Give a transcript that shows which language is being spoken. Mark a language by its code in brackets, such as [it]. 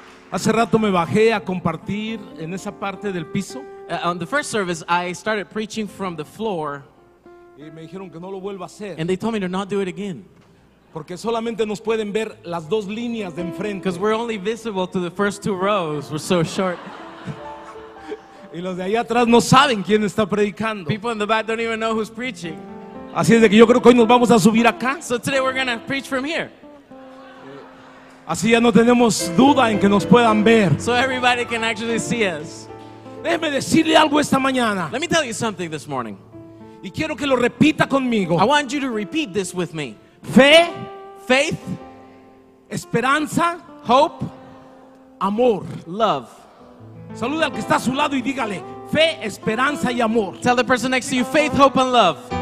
[es] Hace rato me bajé a compartir en esa parte del piso. [en] On the first service, I started preaching from the floor. [es] Y me dijeron que no lo vuelva a hacer. [en] And they told me to not do it again. [es] Porque solamente nos pueden ver las dos líneas de enfrente. [en] Because we're only visible to the first two rows. We're so short. [es] Y los de allá atrás no saben quién está predicando. [en] People in the back don't even know who's preaching. [es] Así es de que yo creo que hoy nos vamos a subir acá. [en] So today we're going to preach from here. [es] Así ya no tenemos duda en que nos puedan ver. [en] So everybody can actually see us. [es] Déjeme decirle algo esta mañana. [en] Let me tell you something this morning. [es] Y quiero que lo repita conmigo. [en] I want you to repeat this with me. [es] Fe, [en] faith, [es] esperanza, [en] hope, [es] amor, [en] love. [es] Saluda al que está a su lado y dígale fe, esperanza y amor. [en] Tell the person next to you faith, hope and love.